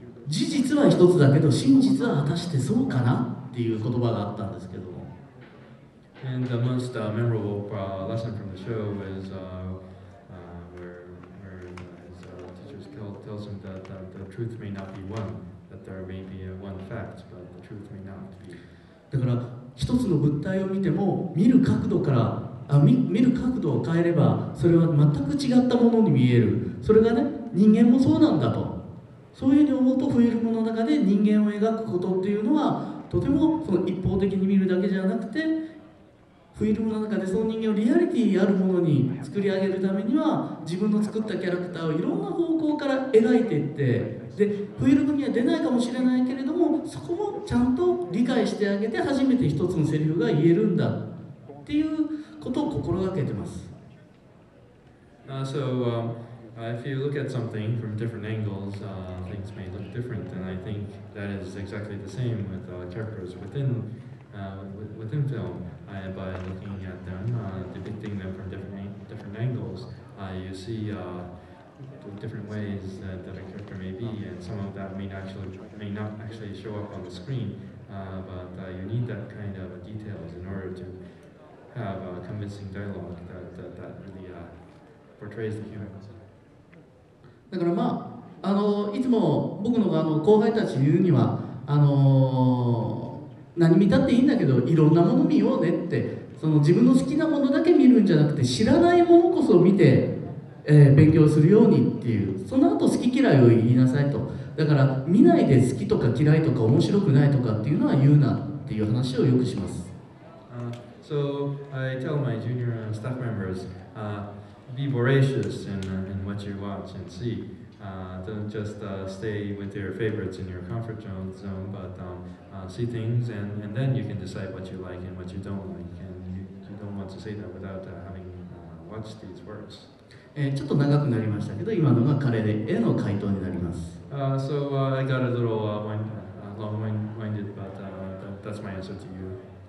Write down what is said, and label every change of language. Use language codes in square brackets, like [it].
[ja] 事実は一つだけど真実は果たしてそうかなっていう言葉があったんですけども、 [en] And the most memorable lesson from the show was where his teachers tells him that the truth may not be one, that there may be one fact, but the truth may not be. [ja] だから一つの物体を見ても見る角度から見る角度を変えればそれは全く違ったものに見える、それがね人間もそうなんだと、そういうふうに思うとフィルムの中で人間を描くことっていうのはとてもその一方的に見るだけじゃなくて、フィルムの中でその人間をリアリティあるものに作り上げるためには自分の作ったキャラクターをいろんな方向から描いていって、でフィルムには出ないかもしれないけれどもそこもちゃんと理解してあげて初めて一つのセリフが言えるんだっていうことを心がけてます。 [en] If you look at something from different angles, things may look different, and I think that is exactly the same with characters within film. By looking at them, depicting them from different angles, you see different ways that a character may be, and some of that may not actually show up on the screen, but you need that kind of details in order to have a convincing dialogue that really portrays the human. [ja] だからまあ、いつも僕の後輩たちに言うには、何見たっていいんだけどいろんなもの見ようねって、その自分の好きなものだけ見るんじゃなくて知らないものこそ見て、勉強するようにっていう、その後好き嫌いを言いなさいと、だから見ないで好きとか嫌いとか面白くないとかっていうのは言うなっていう話をよくします。 [en] So I tell my junior staff members、be voracious in what you watch and see. Don't just stay with your favorites in your comfort zone, but see things and then you can decide what you like and what you don't like. And you don't want to say that without having watched these works. [ja] ちょっと長くなりましたけど、今のが彼への回答になります。 [en] I got a little long-winded, but that's my answer to you.